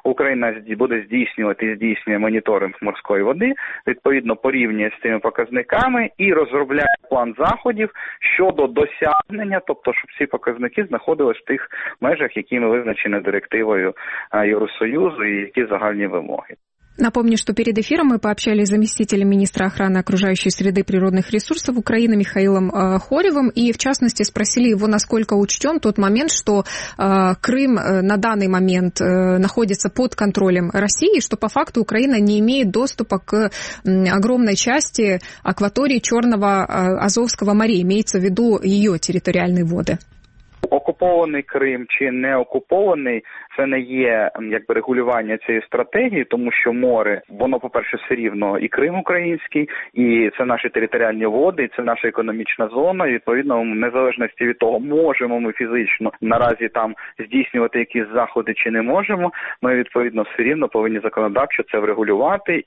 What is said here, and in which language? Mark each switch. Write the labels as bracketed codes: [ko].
[uk] Україна буде здійснювати і здійснює моніторинг морської води, відповідно, по рівні з цими показниками і розробляє план заходів щодо досягнення, тобто, щоб ці показники знаходились в тих межах, які ми визначені директивою Євросоюзу і які загальні вимоги. [ru] Напомню, что перед эфиром мы пообщались с заместителем министра охраны окружающей среды и природных ресурсов Украины Михаилом Хоревым и, в частности, спросили его, насколько учтен тот момент, что Крым на данный момент находится под контролем России, что по факту Украина не имеет доступа к огромной части акватории Черного Азовского моря, имеется в виду ее территориальные воды. [uk] Окупований Крим чи не окупований, це не є якби регулювання цієї стратегії, тому що море, воно, по-перше, все рівно і Крим український, і це наші територіальні води, і це наша економічна зона. І, відповідно, в незалежності від того, можемо ми фізично наразі там здійснювати якісь заходи чи не можемо, ми, відповідно, все рівно повинні законодавчо це врегулювати.